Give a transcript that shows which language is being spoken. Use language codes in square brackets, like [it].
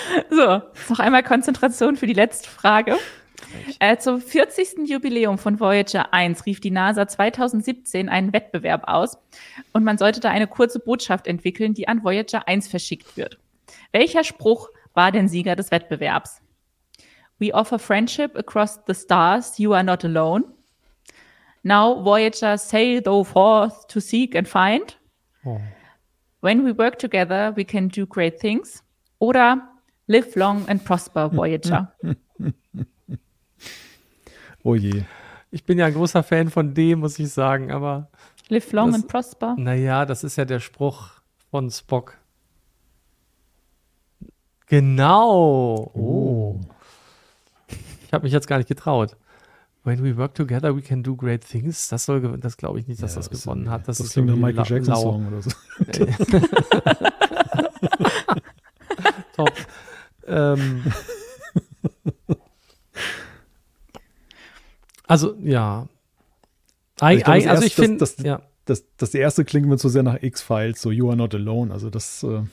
[de] So, noch einmal Konzentration für die letzte Frage. Zum 40. Jubiläum von Voyager 1 rief die NASA 2017 einen Wettbewerb aus und man sollte da eine kurze Botschaft entwickeln, die an Voyager 1 verschickt wird. Welcher Spruch war denn Sieger des Wettbewerbs? [en] We offer friendship across the stars. You are not alone. Now, Voyager, sail thou forth to seek and find. Oh. When we work together, we can do great things. [de] Oder [en] live long and prosper, Voyager. [de] Oh je. Ich bin ja ein großer Fan von dem, muss ich sagen, aber [en] live long and prosper. [de] Naja, das ist ja der Spruch von Spock. Genau. Oh. Ich habe mich jetzt gar nicht getraut. [en] When we work together, we can do great things. [de] Das soll, das glaube ich nicht, dass das gewonnen hat. Das ist irgendwie ein Michael Jackson Song oder so. Top. Also ja. Das erste klingt mir zu sehr nach X-Files, so [en] You Are Not Alone. [de] Also das.